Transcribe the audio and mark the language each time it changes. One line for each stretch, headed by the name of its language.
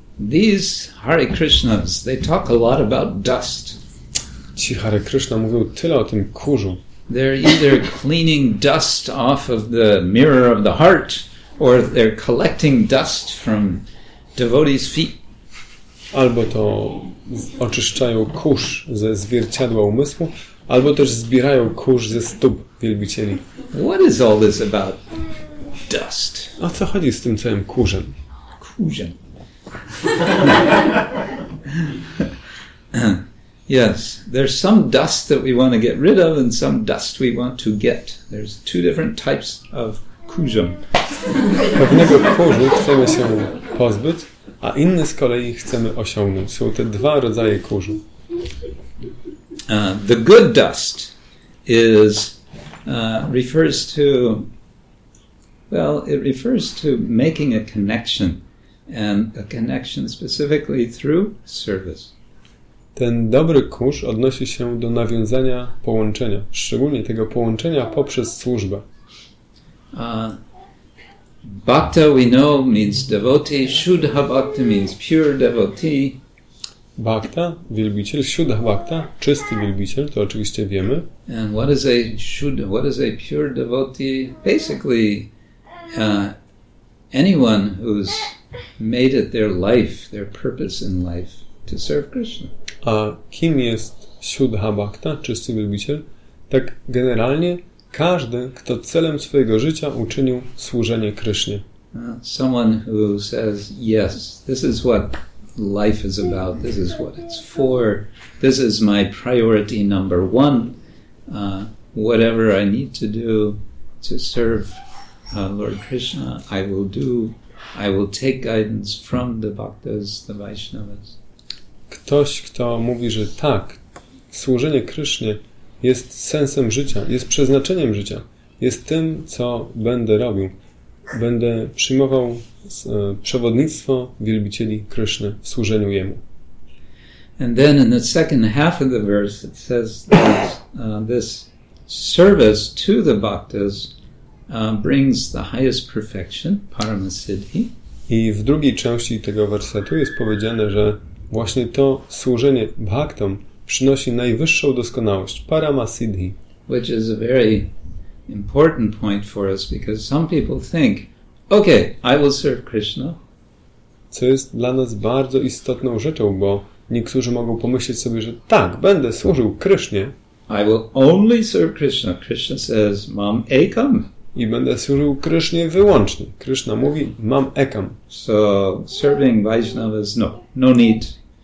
English: These Hare Krishnas, they talk a lot about dust.
Polish: Ci Hare Krishna mówią tyle o tym kurzu.
English: They're either cleaning dust off of the mirror of the heart, or they're collecting dust from devotees' feet.
Polish: Albo to oczyszczają kurz ze zwierciadła umysłu, albo też zbierają kurz ze stóp wielbicieli.
English: What is all this about dust?
Polish: O co chodzi z tym całym kurzem? Kurzem.
English: Yes, there's some dust that we want to get rid of and some dust we want to get. There's two different types of kurzem.
Polish: Pewnego kurzu chcemy się pozbyć, a inny z kolei chcemy osiągnąć. Są te dwa rodzaje kurzu.
English: The good dust is refers to, well, it refers to making a connection, and a connection specifically through service.
Polish: Ten dobry kurz odnosi się do nawiązania połączenia, szczególnie tego połączenia poprzez służbę.
English: Bhakta, we know, means devotee. Shuddha bhakta means pure devotee.
Polish: Bhakta, wielbiciel, shuddha bhakta, czysty wielbiciel, to oczywiście wiemy.
English: And what is a shuddha, what is a pure devotee? Basically, anyone who's made it their life, their purpose in life, to serve Krishna.
Polish: A kim jest Shuddha Bhakta, czysty wielbiciel? Tak generalnie każdy, kto celem swojego życia uczynił służenie Krysznie.
English: Someone who says, yes, this is what life is about, this is what it's for, this is my priority number one, whatever I need to do to serve Lord Krishna, I will do, I will take guidance from the Bhaktas, the Vaishnavas.
Polish: Ktoś, kto mówi, że tak, służenie Krysznie jest sensem życia, jest przeznaczeniem życia, jest tym, co będę robił. Będę przyjmował przewodnictwo wielbicieli Kryszny w służeniu Jemu.
English: And then in the second half of the verse it says that this service to the bhaktas brings the highest perfection, paramasiddhi.
Polish: I w drugiej części tego wersetu jest powiedziane, że właśnie to służenie bhaktom przynosi najwyższą doskonałość, paramasiddhi.
English: Which is a very important point for us, because some people think, okay, I will serve Krishna.
Polish: Co jest dla nas bardzo istotną rzeczą, bo niektórzy mogą pomyśleć sobie, że tak, będę służył Krishnie.
English: I will only serve Krishna. Krishna says,
Sanskrit: mam ekam.
Polish: I będę służył Krysznie wyłącznie. Krishna mówi,
Sanskrit: mam ekam.
English: So, serving Vaishnavas, no, no need.